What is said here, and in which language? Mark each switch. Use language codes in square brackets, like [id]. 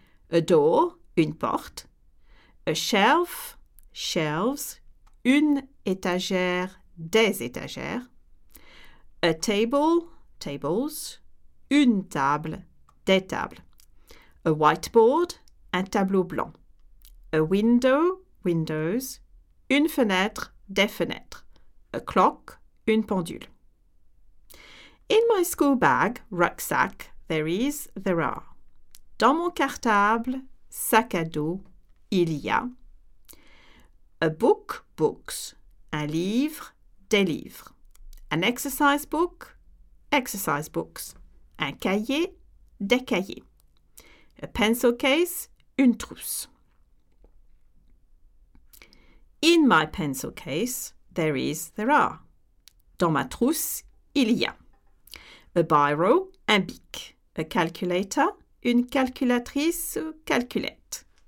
[en] A door, [fr] une porte. [en] A shelf, shelves, [fr] une étagère, des étagères. [en] A table, tables, [fr] une table, des tables. [en] A whiteboard, [fr] un tableau blanc. [en] A window, windows, [fr] une fenêtre, des fenêtres. [en] A clock, [fr] une pendule. [en] In my school bag, rucksack, there are. [fr] Dans mon cartable, sac à dos, il y a. [en] A book, books, [fr] un livre, des livres. [en] An exercise book, exercise books. [fr] Un cahier, des cahiers. [en] A pencil case, [fr] une trousse. [en] In my pencil case, there are. [fr] Dans ma trousse, il y a. [en] A biro, [fr] un bic. [en] A calculator, [fr] une calculatrice ou calculette.